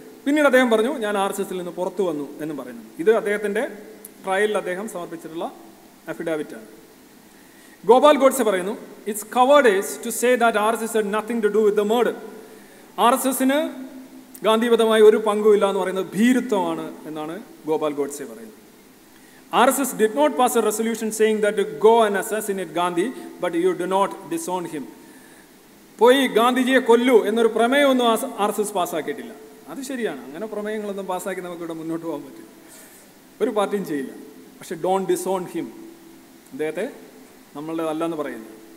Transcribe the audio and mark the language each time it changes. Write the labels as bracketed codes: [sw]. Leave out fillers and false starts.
[ml] പിന്നീട് അദ്ദേഹം പറഞ്ഞു ഞാൻ RSSൽ നിന്ന് പുറത്തു വന്നു എന്ന് പറയുന്നു. ഇത് അദ്ദേഹത്തിൻ്റെ ട്രയലിൽ അദ്ദേഹം സമർപ്പിച്ചിട്ടുള്ള അഫിഡാവിറ്റാണ്. ഗോപാൽ ഗോഡ്സെ പറയുന്നു, [en] It's cowardice to say that RSS had nothing to do with the murder. RSSന് ഗാന്ധിപദമായി ഒരു പങ്കുമില്ല എന്ന് പറയുന്നത് ഭീരുത്വമാണ് എന്നാണ് ഗോപാൽ ഗോഡ്സെ പറയുന്നത്. RSS did not pass a resolution saying that to go and assassinate Gandhi, but you do not disown him. [ml] പോയി ഗാന്ധിജിയെ കൊല്ലു എന്നൊരു പ്രമേയമൊന്നും RSS പാസ്സാക്കിയിട്ടില്ല. അത് ശരിയാണ്, അങ്ങനെ പ്രമേയങ്ങളൊന്നും പാസ്സാക്കി നമുക്കിവിടെ മുന്നോട്ട് പോകാൻ പറ്റും, ഒരു പാർട്ടിയും ചെയ്യില്ല. പക്ഷെ [en] don't disown him, [ml] അദ്ദേഹത്തെ നമ്മളുടേതല്ലെന്ന് പറയുന്നു.